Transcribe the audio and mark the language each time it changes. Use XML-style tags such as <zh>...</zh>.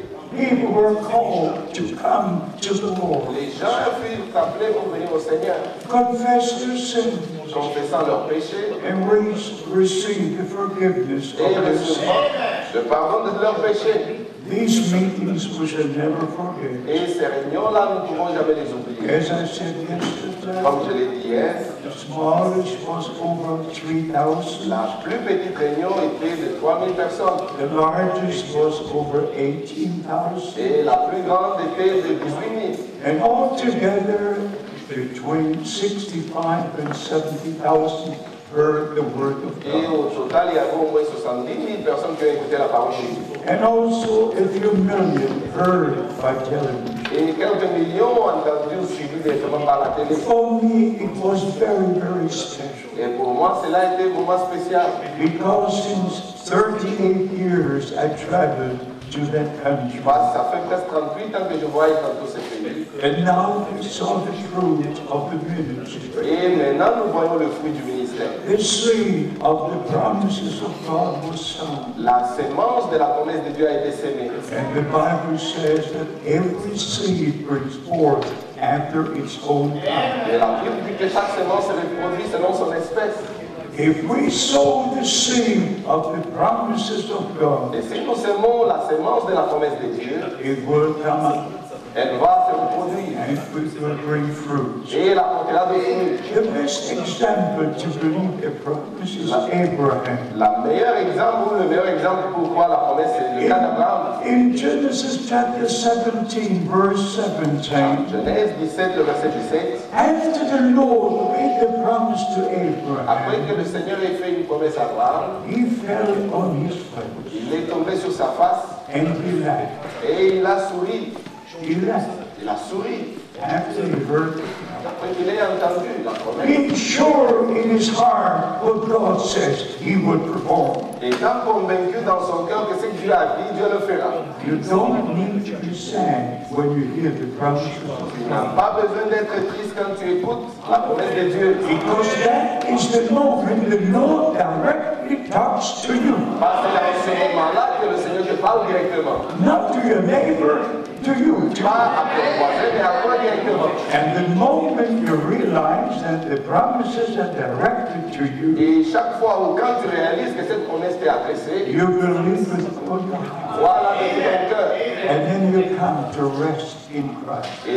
<en>People were called to come to the Lord.</en> <fr>Les gens furent appelés pour venir au Seigneur.</fr> <en>Confess their sins.</en> <fr>Confessant leurs péchés.</fr> <en>And receive the forgiveness of their sins.</en> <fr>Le pardon de leurs péchés.</fr> <en>These meetings we shall never forget.</en> <fr>Et ces réunions-là, nous ne pourrons jamais les oublier.</fr> <en>As I said yesterday,</en> <fr>comme je l'ai dit hier,</fr> <en>the smallest was over 3,000.</en> <fr>La plus petite réunion était de 3,000 personnes.</fr> <en>The largest was over 18,000.</en> <fr>Et la plus grande était de 18,000.</fr> <en>And all together, between 65 and 70,000 heard the word of God.</en> <fr>Et au total, il y avait au moins 70,000 personnes qui ont écouté la parole de Dieu.</fr> <en>And also a few million heard by television.</en> <fr>Et quelques millions ont entendu suivi directement par la télé.</fr> <en>For me, it was very, very special.</en> <fr>Et pour moi, cela a été vraiment spécial.</fr> <en>Because since 38 years, I traveled to that country.</en> <fr>Parce que ça fait presque 38 ans que je voyage dans tous ces pays.</fr> <en>And now we saw the fruit of the ministry.</en> <fr>Et maintenant, nous voyons le fruit du ministère.</fr> <en>The seed of the promises of God was sown.</en> <fr>La semence de la promesse de Dieu a été semée.</fr> <en>And the Bible says that every seed brings forth after its own kind.</en> <fr>Et la Bible dit que chaque semence est produite selon son espèce.</fr> <en>If we sow the seed of the promises of God,</en> <fr>et si nous semons la semence de la promesse de Dieu,</fr> <en>it will come up.</en> <fr>Elle va se reproduire.</fr> <en>And it will bring fruit.</en> <fr>Et elle apportera des fruits.</fr> <en>The best example to believe the promise is Abraham.</en> <fr>La meilleure exemple, le meilleur exemple pour croire la promesse, c'est le cas d'Abraham.</fr> <en>In Genesis chapter 17, verse 17.</en> <fr>Genèse 17, le verset 17.</fr> <en>After the Lord made the promise to Abraham.</en> <fr>Après que le Seigneur ait fait une promesse à Abraham.</fr> <en>He fell on his face.</en> <fr>Il est tombé sur sa face.</fr> <en>And he laughed.</en> <fr>Et il a souri. Il a souri.</fr> <en>After he heard,</en> <fr>après qu'il ait entendu la promesse,</fr> <en>being sure in his heart what God says he would perform.</en> <fr>Étant convaincu dans son cœur que ce que Dieu a dit, Dieu le fera.</fr> <en>You don't need to be sad when you hear the promise of God.</en> <fr>Tu n'as pas besoin d'être triste quand tu écoutes la promesse de Dieu.</fr> <en>Because that is the moment the Lord directly talks to you.</en> <fr>Parce que c'est ce moment-là que le Seigneur te parle directement.</fr> <en>Not to your neighbor. To you, and the moment you realize that the promises are directed to you, you believe with all your heart, and then you come to rest in Christ.</en>